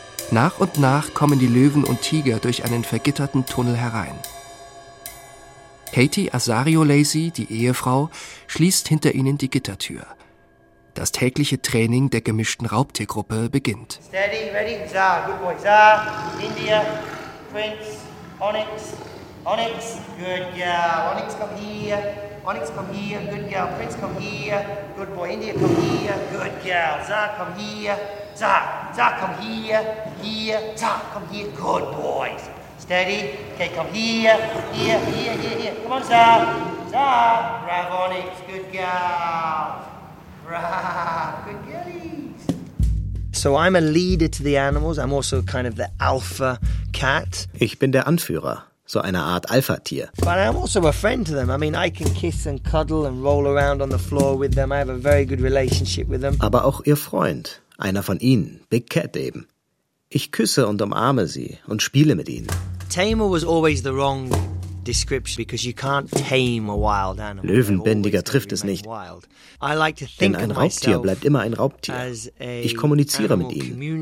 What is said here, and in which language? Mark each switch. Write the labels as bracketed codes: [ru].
[de] Nach und nach kommen die Löwen und Tiger durch einen vergitterten Tunnel herein. Katie Azario Lacey, die Ehefrau, schließt hinter ihnen die Gittertür. Das tägliche Training der gemischten Raubtiergruppe beginnt. [en] Steady, ready, Zah, good boy, Zah, India, Prince, Onyx, Onyx, good girl, Onyx, come here, good girl, Prince, come here, good boy, India, come here, good girl, Zah, come here, Zah, Zah, come here, here, Zah, come here, good boys. Steady. Okay, come here. Come on, Zah. Zah. Bravo, Onyx. Good girl. Bravo. Good girlies. So I'm a leader to the animals. I'm also kind of the alpha cat. [de] Ich bin der Anführer. So eine Art Alpha-Tier. [en] But I'm also a friend to them. I mean, I can kiss and cuddle and roll around on the floor with them. I have a very good relationship with them. [de] Aber auch ihr Freund. Einer von ihnen. Big Cat eben. Ich küsse und umarme sie und spiele mit ihnen. [en] Tamer was always the wrong description because you can't tame a wild animal. [de] Löwenbändiger trifft es nicht. Denn ein Raubtier bleibt immer ein Raubtier. Ich kommuniziere mit ihm.